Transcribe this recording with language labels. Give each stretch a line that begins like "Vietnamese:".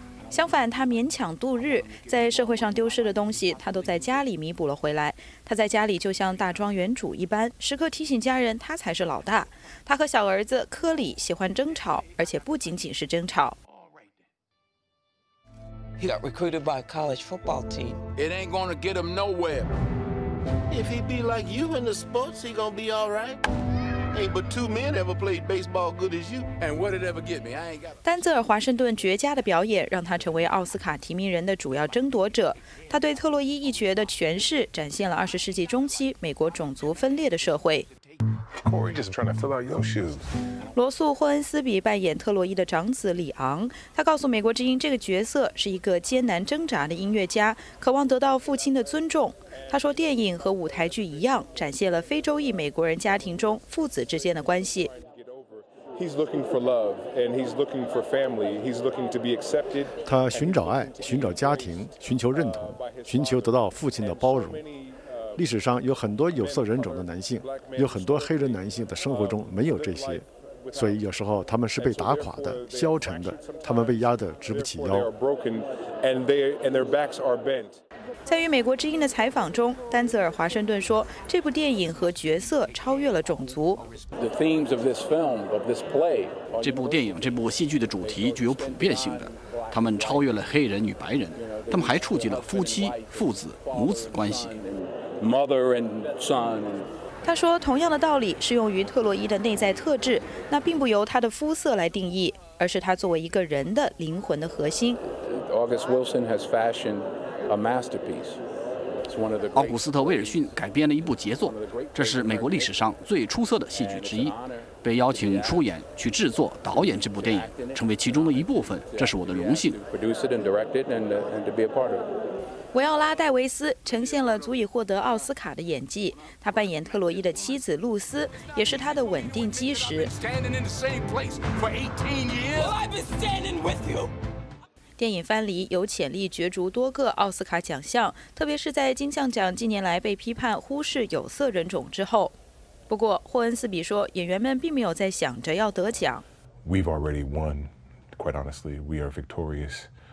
Chinese: 相反，他勉强度日，在社会上丢失的东西他都在家里弥补了回来。他在家里就像大庄园主一般，时刻提醒家人他才是老大。他和小儿子科里喜欢争吵，而且不仅仅是争吵。
English: He got recruited by a college football team. It ain't gonna get him nowhere. If he be like you in the sports, he gonna be all right. Ain't but two men ever played baseball good as you. And what did it ever get me? I ain't got.
Chinese: 丹泽尔·华盛顿绝佳的表演让他成为奥斯卡提名人的主要争夺者。他对特洛伊一角的诠释展现了20世纪中期美国种族分裂的社会。
English: Corey just trying to fill out your shoes.
Chinese: 罗素·霍恩斯比扮演特洛伊的长子里昂，他告诉美国之音，这个角色是一个艰难挣扎的音乐家，渴望得到父亲的尊重。他说，电影和舞台剧一样，展现了非洲裔美国人家庭中父子之间的关系。
English: He's looking for love and he's looking for family. He's looking to be accepted.
Chinese: 他寻找爱，寻找家庭，寻求认同，寻求得到父亲的包容。历史上有很多有色人种的男性，有很多黑人男性的生活中没有这些，所以有时候他们是被打垮的、消沉的，他们被压得直不起腰。在与美国之音的采访中，丹泽尔·华盛顿说，这部电影和角色超越了种族。这部电影、这部戏剧的主题具有普遍性的，他们超越了黑人与白人，他们还触及了夫妻、父子、母子关系。
English: Mother and son.
Chinese: 他说，同样的道理适用于特洛伊的内在特质，那并不由他的肤色来定义，而是他作为一个人的灵魂的核心。
English: August Wilson has fashioned a masterpiece. It's one of the.
Chinese: 奥古斯特·威尔逊改编了一部杰作，这是美国历史上最出色的戏剧之一。被邀请出演、去制作、导演这部电影，成为其中的一部分，这是我的荣幸。
English: Produce it and direct it, and to be a part of it.
Chinese: 维奥拉·戴维斯呈现了足以获得奥斯卡的演技，她扮演特洛伊的妻子露丝，也是她的稳定基石。电影《藩篱》有潜力角逐多个奥斯卡奖项，特别是在金像奖近年来被批判忽视有色人种之后。不过，霍恩斯比说，演员们并没有在想着要得奖。
English: We've already won, quite honestly, we are victorious.